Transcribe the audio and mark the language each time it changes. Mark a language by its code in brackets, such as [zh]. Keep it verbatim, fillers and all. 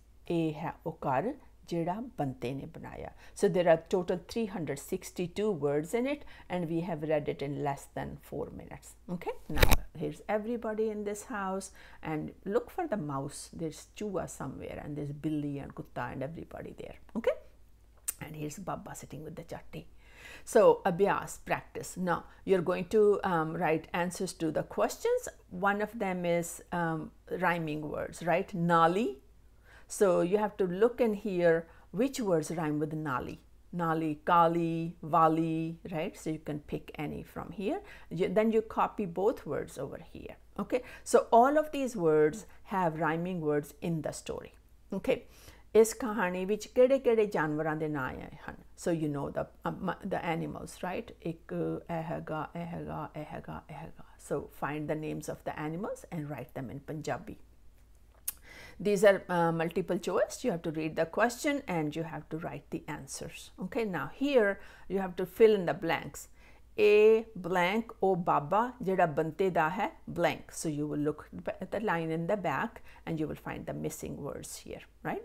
[pa] ਇਹ ਹੈ ਉਹ ਘਰ ਜਿਹੜਾ ਬੰਤੇ ਨੇ ਬਣਾਇਆ। [en] So there are total three hundred sixty-two words in it, and we have read it in less than four minutes. Okay, now here's everybody in this house, and look for the mouse, there is ਚੂਹਾ somewhere, and there is ਬਿੱਲੀ and ਕੁੱਤਾ and everybody there. Okay, and here's Baba sitting with the chaati. So, abhyas, practice. Now, you're going to um, write answers to the questions. One of them is um, rhyming words, right? Nali. So, you have to look and hear which words rhyme with nali. Nali, kali, vali, right? So, you can pick any from here. You, then you copy both words over here, okay? So, all of these words have rhyming words in the story, okay? [pa] ਇਸ ਕਹਾਣੀ ਵਿੱਚ ਕਿਹੜੇ ਕਿਹੜੇ ਜਾਨਵਰਾਂ ਦੇ ਨਾਂ ਆਏ ਹਨ? [en] So you know the the animals, right? [pa] ਇੱਕ ਇਹ ਹੈਗਾ, ਇਹ ਹੈਗਾ, [en] ਇਹ ਹੈਗਾ, ਇਹ ਹੈਗਾ। So find the names of the animals and write them in Punjabi. These are uh, multiple choice. You have to read the question and you have to write the answers. Okay, now here you have to fill in the blanks. A blank [pa] O Baba jada bante da hai [en] blank. So you will look at the line in the back and you will find the missing words here, right?